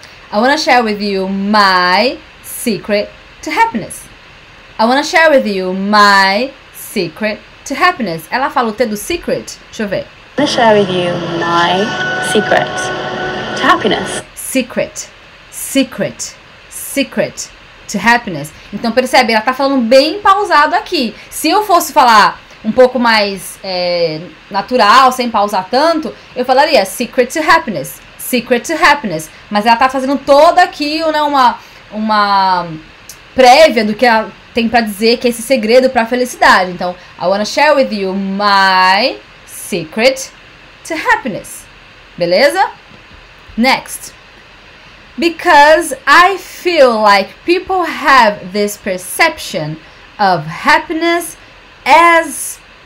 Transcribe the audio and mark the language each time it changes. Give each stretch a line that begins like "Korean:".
English: I want to share with you my secret to happiness. I want to share with you my secret to happiness.
Portuguese: Ela fala o T do secret? Deixa eu ver.
English: I want to share with you my secret to happiness. Secret, secret, secret to happiness.
Portuguese: Então percebe, ela tá falando bem pausado aqui. Se eu fosse falar um pouco mais natural, sem pausar tanto, eu falaria
English: secret to happiness, secret to happiness.
Portuguese: Mas ela tá fazendo toda aqui, né, uma prévia do que ela tem pra dizer, que é esse segredo pra felicidade. Então,
English: I wanna share with you my secret to happiness.
Portuguese: Beleza?
English: Next. Because I feel like people have this perception of happiness as...